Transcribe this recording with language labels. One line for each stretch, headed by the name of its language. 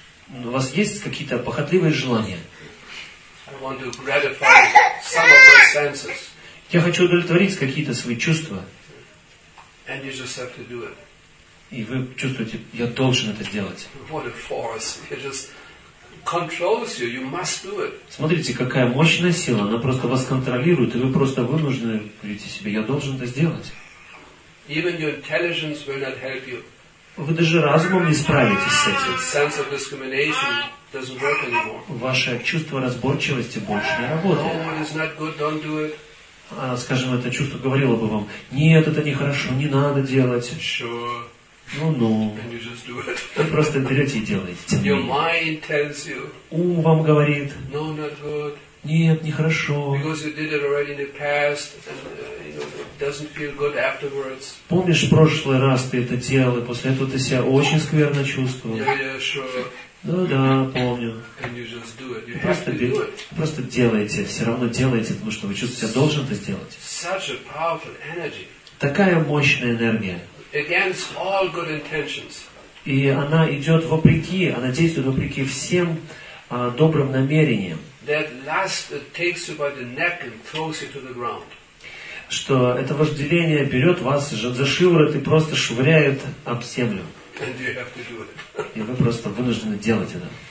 Russian: У вас есть какие-то похотливые желания.
English: I want to gratify some of your senses.
Russian: Я хочу удовлетворить какие-то свои чувства.
English: And you just have to do it.
Russian: И вы чувствуете, я должен это сделать.
English: What a force. It just controls you. You must do it.
Russian: Смотрите, какая мощная сила, она просто вас контролирует, и вы просто вынуждены говорить себе, я должен это сделать.
English: Even your intelligence will not help you.
Russian: Вы даже разумом не справитесь с этим.
English: Sense of discrimination doesn't work anymore.
Russian: Ваше чувство разборчивости больше не работает.
English: No, it's not good, don't do it.
Russian: А, скажем, это чувство говорило бы вам, нет, это нехорошо, не надо делать.
English: Sure.
Russian: Ну-ну. Вы просто берете и делаете.
English: Your mind tells you.
Russian: Ум вам говорит.
English: No, not good.
Russian: Нет, нехорошо.
English: Because you did it already in the past, and it doesn't feel good afterwards.
Russian: Помнишь, в прошлый раз ты это делал, и после этого ты себя очень скверно чувствовал.
English: Yeah, sure.
Russian: Да, помню.
English: And you just do it.
Russian: Просто делаете, все равно делаете, потому что вы чувствуете, что должен это сделать.
English: Such a powerful energy.
Russian: Такая мощная энергия.
English: Against all good intentions.
Russian: И она идет вопреки, она действует вопреки всем добрым намерениям.
English: That lust takes you by the neck and throws you to the ground.
Russian: Что это вожделение берет вас за шиворот и просто швыряет об землю.
English: And you have to do it.
Russian: И вы просто вынуждены делать это.